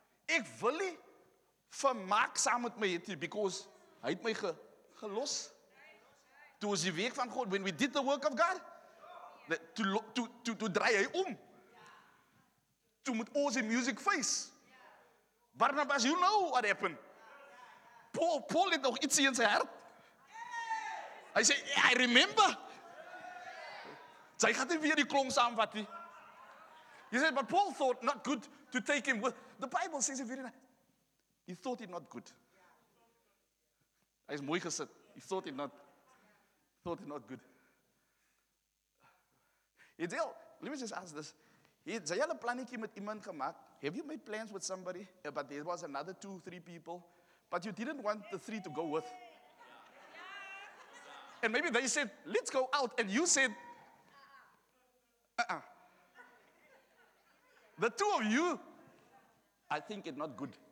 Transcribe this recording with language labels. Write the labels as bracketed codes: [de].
[af] Ek wil vir Mark saam met my hierdie, because hy het my gelos. Toe was die week van God, [en] when we did the work of God, [af] to draai hy om. Toe moet ons die music face. Barnabas, [en] you know what happened. [af] Paul het nog iets in sy hart. Hy sê, [en] I remember. [af] Sy gaat nie weer die klong saamvat nie. [en] He said, but Paul thought not good to take him with. The Bible says it very nice. He thought it not good. [af] Hy is mooi gesit. [en] He thought it not. Thought it not good. Edel, let me just ask this. [af] Het jy al 'n plannetjie met iemand gemaak? [en] Have you made plans with somebody? Yeah, but there was another 2-3 people. But you didn't want the 3 to go with. And maybe they said, let's go out. And you said, The 2 of you, I think it not good.